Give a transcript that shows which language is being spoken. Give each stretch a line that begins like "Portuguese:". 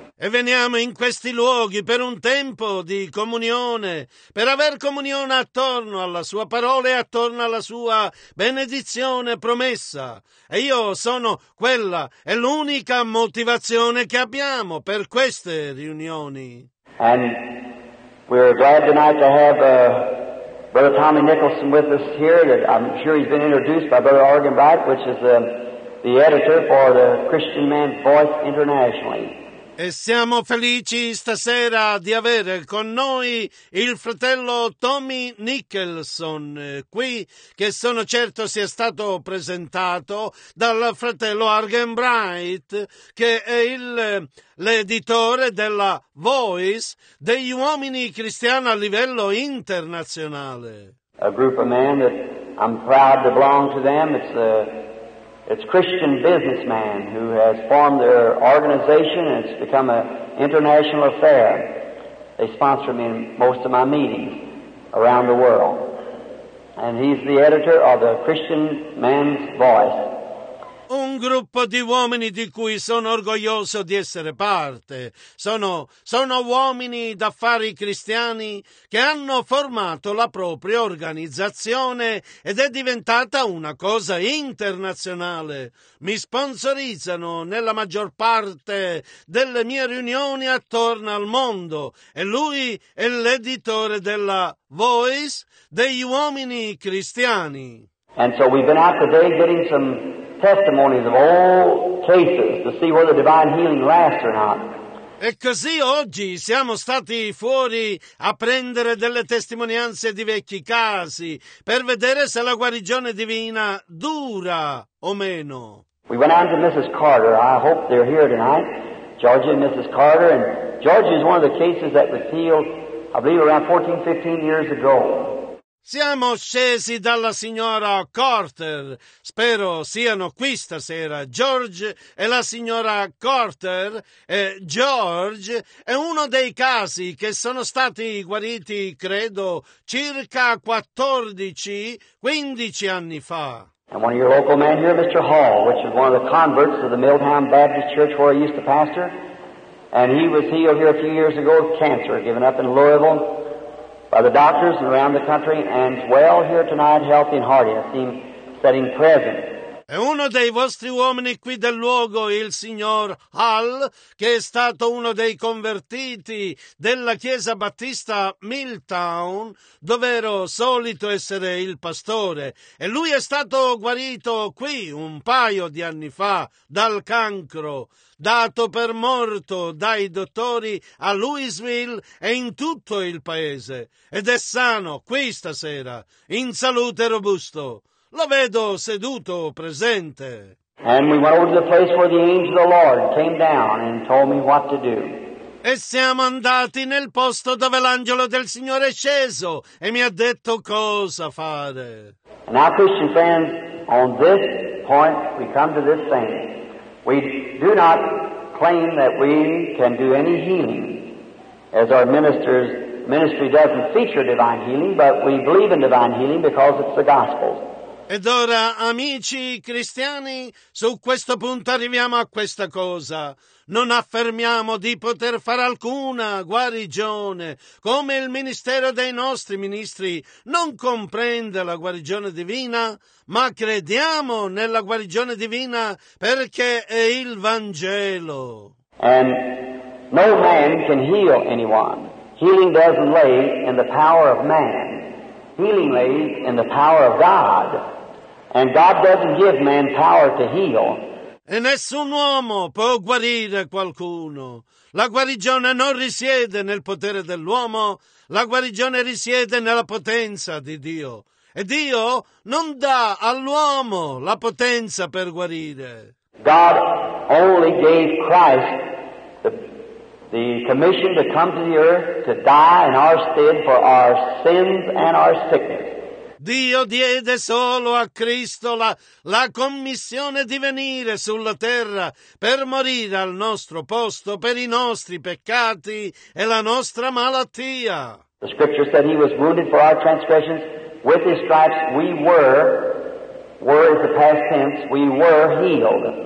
Italian: E veniamo in questi luoghi per un tempo di comunione, per aver comunione attorno alla sua parola e attorno alla sua benedizione promessa. E io sono quella, è l'unica motivazione che abbiamo per queste riunioni.
English: And we're glad tonight to have Brother Tommy Nicholson with us here. That I'm sure he's been introduced by Brother Oregon Wright, which is the editor for the Christian Man's Voice internationally.
Italian: E siamo felici stasera di avere con noi il fratello Tommy Nicholson qui, che sono certo sia stato presentato dal fratello Argen Bright, che è l'editore della Voice degli uomini cristiani a livello internazionale.
English: A group of men that I'm proud to belong to them. It's Christian businessman who has formed their organization and it's become an international affair. They sponsor me in most of my meetings around the world. And he's the editor of the Christian Man's Voice.
Italian: Un gruppo di uomini di cui sono orgoglioso di essere parte. Sono uomini d'affari cristiani che hanno formato la propria organizzazione ed è diventata una cosa internazionale. Mi sponsorizzano nella maggior parte delle mie riunioni attorno al mondo e lui è l'editore della Voice degli uomini cristiani.
English: And so we've been out today getting some testimonies of old cases to see whether divine healing lasts or not.
Italian: E così oggi siamo stati fuori a prendere delle testimonianze di vecchi casi per vedere se la guarigione divina dura o meno.
English: We went on to Mrs. Carter. I hope they're here tonight, Georgie and Mrs. Carter. And Georgie is one of the cases that was healed, I believe, around 14-15 years ago.
Italian: Siamo scesi dalla signora Carter, spero siano qui stasera, George e la signora Carter, George è uno dei casi che sono stati guariti, credo, circa 14-15 anni fa.
English: And one of your local men here, Mr. Hall, which is one of the converts of the Milltown Baptist Church where I used to pastor, and he was healed here a few years ago of cancer, given up in Louisville. The doctors around the country and well here tonight, healthy and hearty. I see him sitting present.
Italian: E uno dei vostri uomini qui del luogo, il signor Hall, che è stato uno dei convertiti della Chiesa Battista Milltown, dove ero solito essere il pastore. E lui è stato guarito qui un paio di anni fa dal cancro, dato per morto dai dottori a Louisville e in tutto il paese. Ed è sano qui stasera, in salute robusto. Lo vedo seduto presente.
English: And we went over to the place where the angel of the Lord came down and told me what to do.
Italian: E siamo andati nel posto dove l'angelo del Signore è sceso e mi ha detto cosa fare.
English: And now, Christian friends, on this point we come to this thing. We do not claim that we can do any healing, as our ministry doesn't feature divine healing, but we believe in divine healing because it's the gospel.
Italian: Ed ora, amici cristiani, su questo punto arriviamo a questa cosa. Non affermiamo di poter fare alcuna guarigione, come il ministero dei nostri ministri non comprende la guarigione divina, ma crediamo nella guarigione divina perché è il Vangelo.
English: And no man can heal anyone. Healing doesn't lay in the power of man. Healing lays in the power of God. And God doesn't give man power to heal.
Italian: E nessun uomo può guarire qualcuno. La guarigione non risiede nel potere dell'uomo. La guarigione risiede nella potenza di Dio. E Dio non dà all'uomo la potenza per guarire.
English: God only gave Christ the commission to come to the earth to die in our stead for our sins and our sickness.
Italian: Dio diede solo a Cristo la commissione di venire sulla terra per morire al nostro posto per i nostri peccati e la nostra malattia.
English: The scripture said he was wounded for our transgressions. With his stripes we were is the past tense, we were healed.